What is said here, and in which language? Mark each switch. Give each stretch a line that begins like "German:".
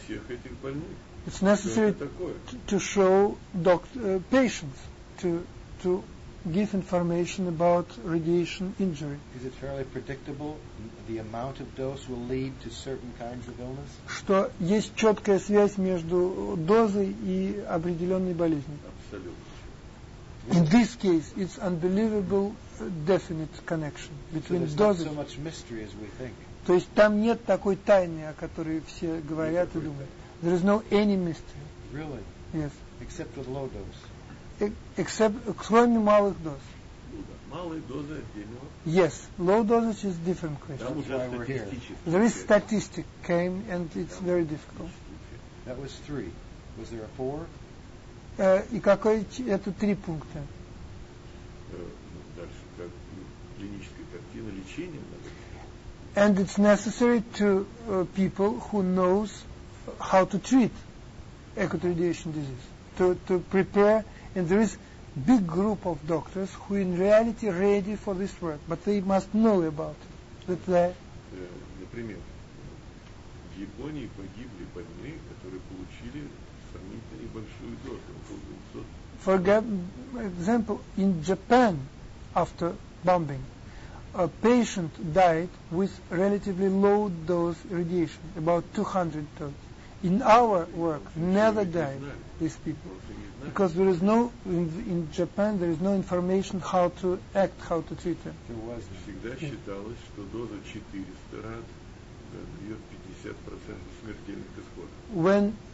English: it's necessary to show patients, to give information about radiation injury. Is it fairly predictable the amount of dose will lead to certain kinds of illness?
Russian: Что есть четкая связь между дозой и определенной болезнью?
English: Absolutely. In this case, it's unbelievable definite connection between so doses. Not so much mystery as we think.
Russian: То есть там нет такой тайны, о которой все говорят и думают.
English: There is no any mystery. Really? Yes. Except with low dose.
Russian: Кроме малых доз. Малые дозы отдельно.
English: Yes, low dosage is different question. There is statistic came and it's very difficult. That was three. Was there a four?
Russian: И какой это три пункта? Дальше как клиническая картина лечения.
English: And it's necessary to people who knows how to treat acute radiation disease to prepare. And there is big group of doctors who in reality ready for this work, but they must know about it. That they...
Russian: Например, в Японии погибли больные, которые получили сомнительную большую дозу.
English: For example, in Japan, after bombing, a patient died with relatively low dose radiation, about 200 dose. In our work, never die these people, because there is no in Japan there is no information how to act, how to treat them.